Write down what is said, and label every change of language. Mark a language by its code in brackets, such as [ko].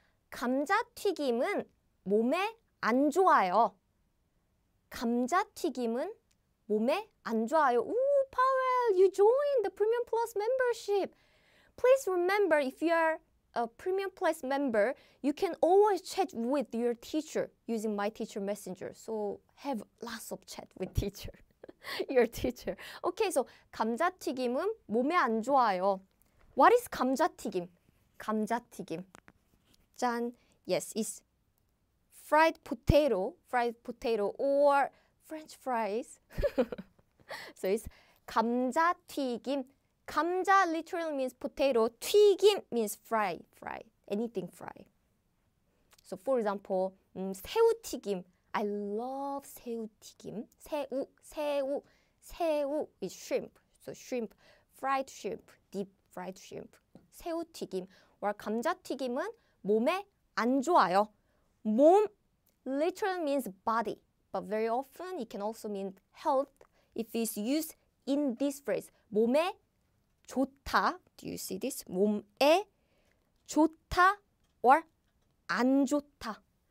[ko] 감자 튀김은 몸에 안 좋아요. 감자 튀김은 몸에 안 좋아요. [en] Ooh, Powell, you joined the Premium Plus membership. Please remember, if you are a Premium Plus member, you can always chat with your teacher using my teacher messenger. So have lots of chat with teacher, your teacher. Okay, so [ko] 감자 튀김은 몸에 안 좋아요. [en] What is 감자 튀김? 감자 튀김. 짠. Yes, it's fried potato or French fries. So it's 감자 튀김. 감자 literally means potato. 튀김 means fry, fry, anything fry. So for example, [ko] 새우 튀김. [en] I love [ko] 새우 튀김. [en] 새우, 새우, 새우 is shrimp. So shrimp, fried shrimp, deep fried shrimp. [ko] 새우 튀김 or 감자 튀김은 몸에 안 좋아요. [en] 몸 literally means body, but very often it can also mean health if it's used in this phrase. [ko] 몸에 좋다. [en] Do you see this? [ko] 몸에 좋다 or 안 좋다.